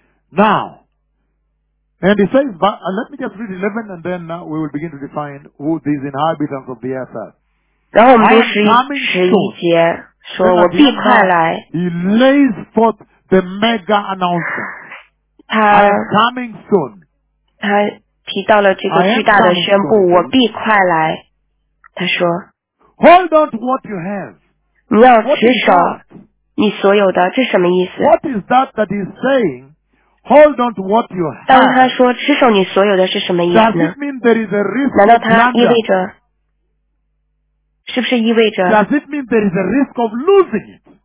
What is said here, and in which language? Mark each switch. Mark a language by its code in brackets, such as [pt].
[en] Now, and he says, let me just read 11 and then we will begin to define who these inhabitants of the earth are. [zh] 然后我们读十一节。说我必快来。 [en] He lays forth the mega announcement. [zh] 他 [en] coming soon. [zh] 他提到了这个巨大的宣布，我必快来。他说 [en] ，Hold on to what you have. [zh] 你要持守你所有的，这什么意思 [en] ？What is that that is saying? Hold on to what you have. [zh] 当他说持守你所有的是什么意思 [en] ？Does it mean there is a risk? [zh] 难道他意味着？是不是意味着 [en] Does it mean there is a risk of losing it?